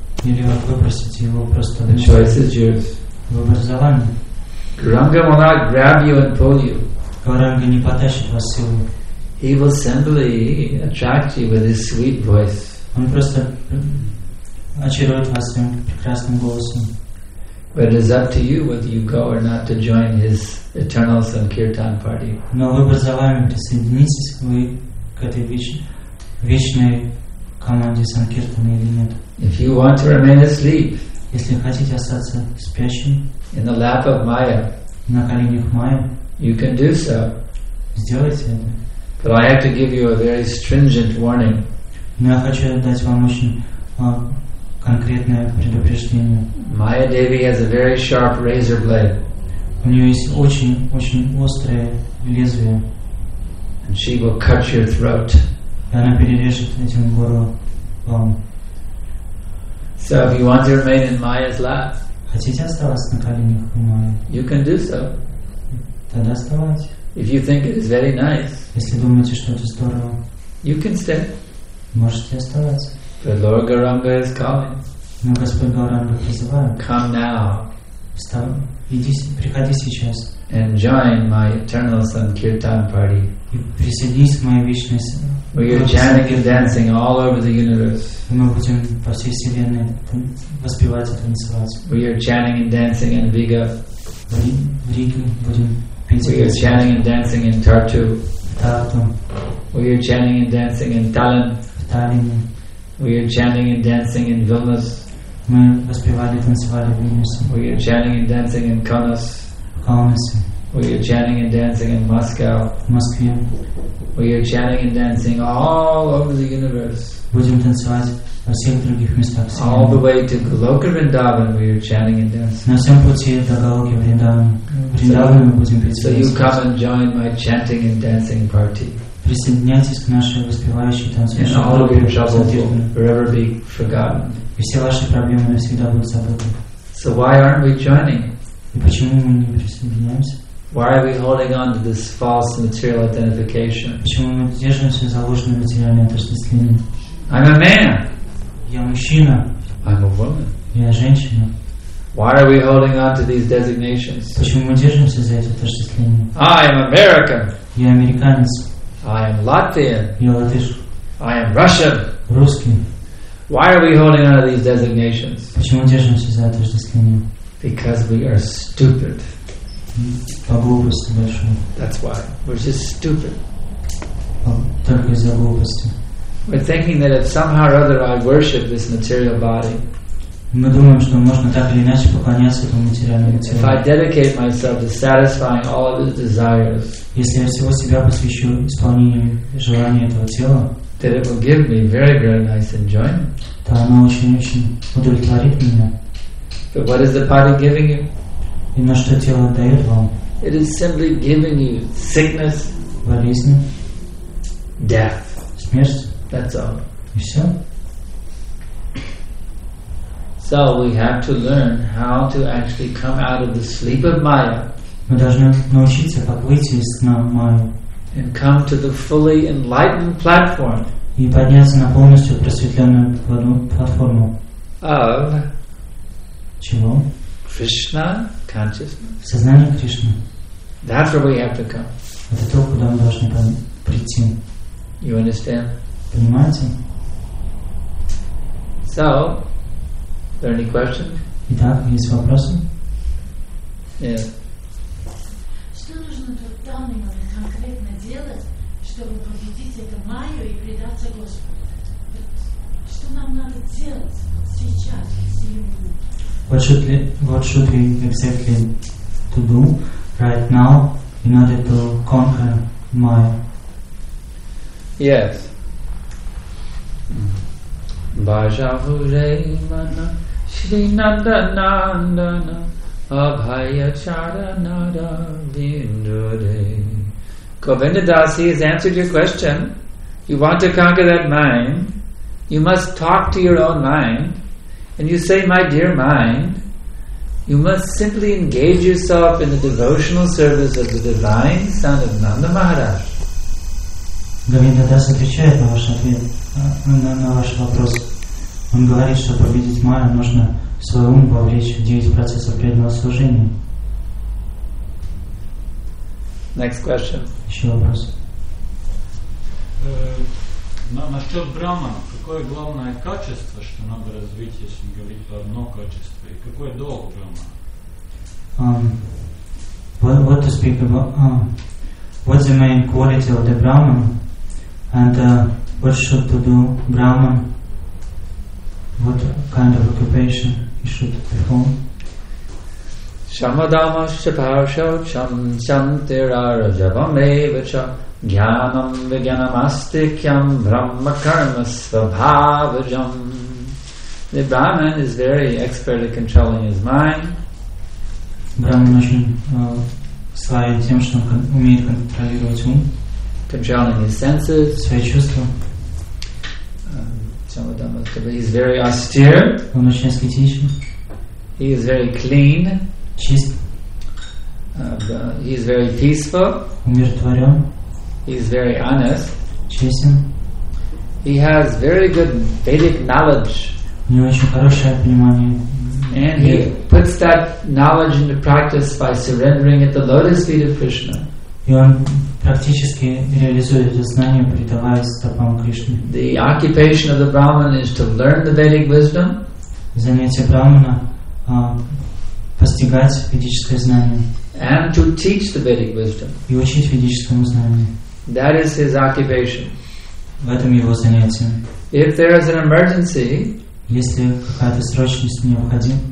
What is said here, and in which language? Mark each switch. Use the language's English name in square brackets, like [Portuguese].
[Russian] Или вы выбросите его просто. [English] The choice is yours. [Russian] Выбор за вами. [English] Гауранга will not grab you and pull you. [Russian] Гауранга не потащит вас силой. [English] He will simply attract you with his sweet voice. [Russian] Он просто очарует вас своим прекрасным голосом. [English] But it is up to you whether you go or not to join his eternal Sankirtan party. [Russian] Но выбор за вами, присоединитесь вы к этой вечной команде Санкиртана или нет. [English] If you want to remain asleep, [Russian] если хотите остаться спящим, [English] in the lap of Maya, [Russian] на коленях Майя, [English] you can do so. [Russian] Сделайте это. [English] But I have to give you a very stringent warning. [Russian] Но я хочу дать вам очень конкретное предупреждение. [English] Maya Devi has a very sharp razor blade. [Russian] У нее есть очень-очень острое лезвие. [English] And she will cut your throat. [Russian] И она перережет этим горло вам. [English] So if you want to remain in Maya's lap, [Russian] хотите оставаться на коленях у Майи? [English] You can do so. [Russian] Тогда оставайтесь. [English] If you think it is very nice, [Russian] если думаете, что это здорово, [English] you can stay. [Russian] Можете оставаться. [English] But Lord Gauranga is calling. [Russian] Но Господь Гауранга призывает. [English] Come now. [Russian] Встань. Иди, приходи сейчас. [English] And join my eternal Sankirtan party. [Russian] И присоединись к моей вечной [English] Where you're chanting and dancing all over the universe. [Russian] И мы будем по всей вселенной воспевать и танцевать. [English] Where you're chanting and dancing in Viga. [Russian] В Риге будем петь. [English] Where you're chanting and dancing in Tartu. [Russian] Tartu. [English] Where you're chanting and dancing in Tallinn. [Russian] Таллине. [English] We are chanting and dancing in Vilnius. [Russian] Мы воспевали и танцевали в Вильнюсе. [English] We are chanting and dancing in Kaunas. [Russian] Kaunas. [English] We are chanting and dancing in Moscow. [Russian] Москве. [English] We are chanting and dancing all over the universe. [Russian] Будем танцевать во всех других местах. [English] All the way to Goloka Vrindavan, we are chanting and dancing. [Russian] На всем пути до Голоки Вриндавана мы будем петь. [English] So you come and join my chanting and dancing party. [Russian] Присоединяйтесь к нашей воспевающей танцующей группе. И все ваши проблемы навсегда будут забыты. [English] So why aren't we joining? [Russian] И почему мы не присоединяемся? [English] Why are we holding on to this false material identification? [Russian] Почему мы держимся за ложное материальное отождествление? [English] I'm a man. [Russian] Я мужчина. [English] I'm a woman. [Russian] Я женщина. [English] Why are we holding on to these designations? [Russian] Почему мы держимся за эти отождествления? [English] I'm American. [Russian] Я американец. [English] I am Latvian. [Russian] Я латыш. [English] I am Russian. [Russian] Русский. [English] Why are we holding on to these designations? [Russian] Почему держимся за отождествления? [English] Because we are stupid. [Russian] По глупости большой. [English] That's why. We're just stupid. [Russian] Только из-за глупости. [English] We're thinking that if somehow or other I worship this material body. [Russian] Мы думаем, что можно так или иначе поклоняться этому материальному телу. [English] If I dedicate myself to satisfying all of its desires, [Russian] если я всего себя посвящу исполнению желаний этого тела, [English] that it will give me very, very nice enjoyment. [Russian] То оно очень-очень удовлетворит меня. [English] But what is the body giving you? [Russian] И на что тело дает вам? [English] It is simply giving you sickness, [Russian] болезнь, [English] death, [Russian] смерть. [English] That's all. [Russian] И все. [English] So we have to learn how to actually come out of the sleep of Maya. [Russian] Мы должны научиться как выйти из сна Майя. [English] And come to the fully enlightened platform. [Russian] И подняться на полностью просветленную платформу. [English] Of [Russian] чего? [English] Krishna consciousness. [Russian] Сознание Кришны. [English] That's where we have to come. [Russian] Это то, куда мы должны прийти. [English] You understand? [Russian] Понимаете? [English] So, are there any questions? [Russian] Итак, есть вопросы? [English] Yeah. [Russian] Что нужно в данный момент конкретно делать, чтобы победить это майю и предаться Господу? Что нам надо делать сейчас, [English] What should we exactly to do right now in order to conquer Maya? Yes. [Sanskrit] Bhajavu Remana Shri Nanda Nandana Abhaya Charanada Vindure. [English] Govindadasi has answered your question. You want to conquer that mind, you must talk to your own mind. And you say, my dear mind, you must simply engage yourself in the devotional service of the divine son of Nanda Maharaj. [Russian] Говиндадас отвечает на ваш ответ, на ваш вопрос. Он говорит, что победить майя нужно в свой ум вовлечь в 9 процессов преданного служения. [English] Next question. [Russian] Еще вопрос. Насчет брахмана, какое главное качество, что надо развить, если говорить про одно качество, и какой долг брахмана? [English] What to speak about? What's the main quality of the brahman? And what should to do brahman? What kind of occupation he should perform? [Sanskrit] Shamadama shaparsha cham chantirara javamevacha Jnanam vijnanamastikyam brahma karma svabhavajam. [English] The Brahman is very expert at controlling his mind. [Russian] Brahman очень славен тем, что он умеет контролировать ум. [English] Controlling his senses. [Russian] Свои чувства. [English] Chamadamastikyam. He is very austere. [Russian] Он очень аскетичен. [English] He is very clean. [Russian] Чист. [English] He is very peaceful. [Russian] Умиротворен. [English] He is very honest. [Russian] Честен. [English] He has very good Vedic knowledge. [Russian] У него очень хорошее понимание. [English] And he puts that knowledge into practice by surrendering at the lotus feet of Krishna. [Russian] И он практически реализует это знание, предаваясь стопам Кришны. [English] The occupation of the Brahman is to learn the Vedic wisdom. [Russian] Занятие брахмана постигать ведическое знание. [English] And to teach the Vedic wisdom. [Russian] И учить ведическому знанию. [English] That is his occupation. [Russian] В этом его занятие. [English] If there is an emergency, [Russian] если какая-то срочность необходима,